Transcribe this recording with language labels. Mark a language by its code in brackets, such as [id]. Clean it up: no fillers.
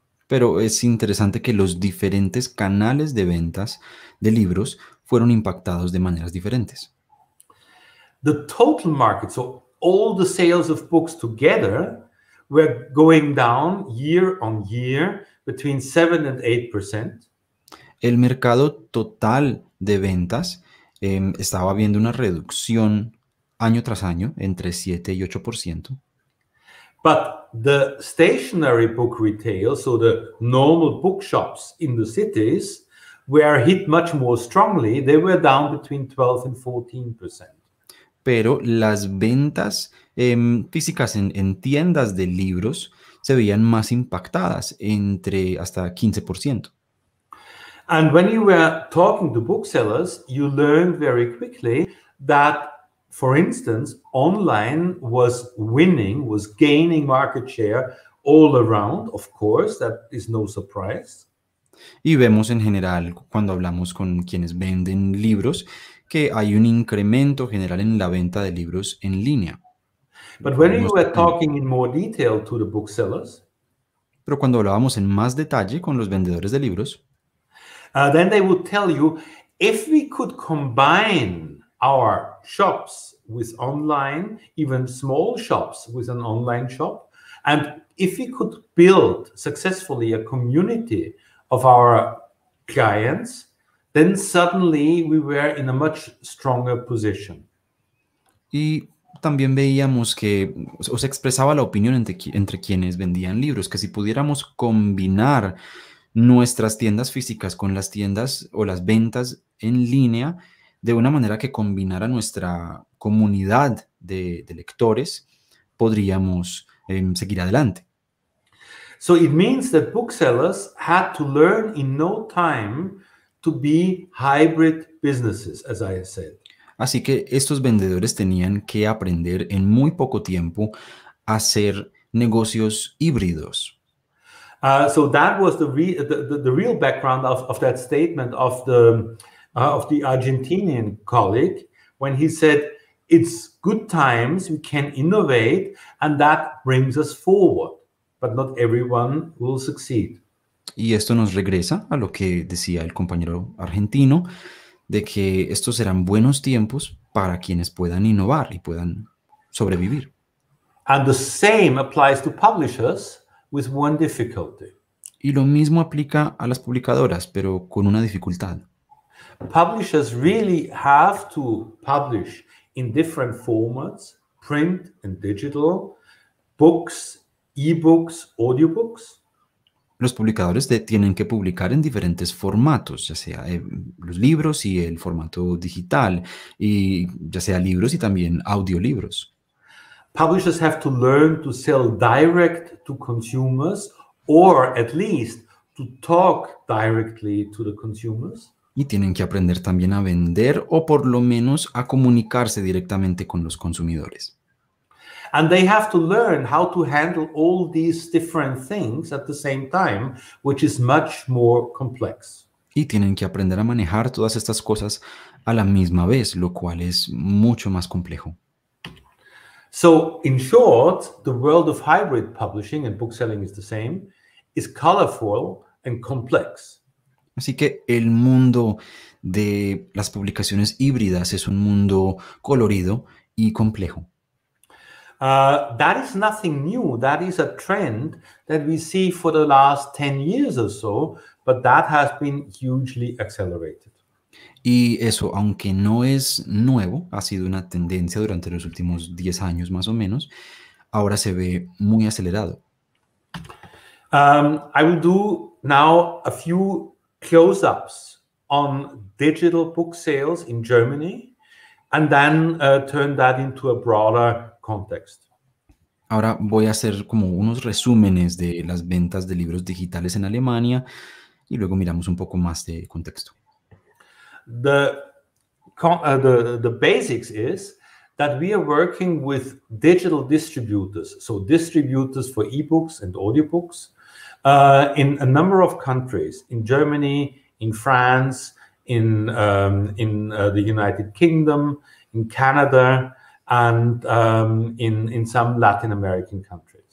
[es] Pero es interesante que los diferentes canales de ventas de libros fueron impactados de maneras diferentes. [en] The total market, so all the sales of books together, were going down year on year between 7 and 8%. [es] El mercado total de ventas estaba viendo una reducción año tras año entre 7 y 8%. [en] But the stationary book retail, so the normal bookshops in the cities, were hit much more strongly. They were down between 12 and 14%. [es] Pero las ventas físicas en tiendas de libros se veían más impactadas, entre hasta 15%. [en] And when you were talking to booksellers, you learned very quickly that, for instance, online was winning, was gaining market share all around, of course, that is no surprise. [es] Y vemos en general, cuando hablamos con quienes venden libros, que hay un incremento general en la venta de libros en línea. [en] But when you were talking in more detail to the booksellers, [es] pero cuando hablábamos en más detalle con los vendedores de libros, [en] Then they would tell you, if we could combine our shops with online, even small shops with an online shop, and if we could build successfully a community of our clients, then suddenly we were in a much stronger position. [es] Y también veíamos que, o se expresaba la opinión entre quienes vendían libros, que si pudiéramos combinar nuestras tiendas físicas con las tiendas o las ventas en línea, de una manera que combinara nuestra comunidad de lectores, podríamos seguir adelante. [en] So it means that booksellers had to learn in no time to be hybrid businesses, as I said. [es] Así que estos vendedores tenían que aprender en muy poco tiempo a hacer negocios híbridos. [en] So that was the real background of that statement of the Argentinian colleague when he said, it's good times, we can innovate, and that brings us forward, but not everyone will succeed. [es] Y esto nos regresa a lo que decía el compañero argentino, de que estos serán buenos tiempos para quienes puedan innovar y puedan sobrevivir. [en] And the same applies to publishers with one difficulty. [es] Y lo mismo aplica a las publicadoras, pero con una dificultad. [en] Publishers really have to publish in different formats, print and digital, books, e-books, audiobooks. [es] Los publicadores tienen que publicar en diferentes formatos, ya sea los libros y el formato digital, y ya sea libros y también audiolibros. [en] Publishers have to learn to sell direct to consumers, or at least to talk directly to the consumers. [es] Y tienen que aprender también a vender o por lo menos a comunicarse directamente con los consumidores. [en] And they have to learn how to handle all these different things at the same time, which is much more complex. [es] Y tienen que aprender a manejar todas estas cosas a la misma vez, lo cual es mucho más complejo. [en] So, in short, the world of hybrid publishing and bookselling is the same, is colorful and complex. [es] Así que el mundo de las publicaciones híbridas es un mundo colorido y complejo. [en] That is nothing new. That is a trend that we see for the last 10 years or so, but that has been hugely accelerated. [es] Y eso, aunque no es nuevo, ha sido una tendencia durante los últimos 10 años más o menos, ahora se ve muy acelerado. [en] I will do now a few close-ups on digital book sales in Germany and then turn that into a broader context. [es] Ahora voy a hacer como unos resúmenes de las ventas de libros digitales en Alemania y luego miramos un poco más de contexto. [en] The basics is that we are working with digital distributors, so distributors for ebooks and audiobooks, in a number of countries, in Germany, in France, in the United Kingdom, in Canada, and in some Latin American countries.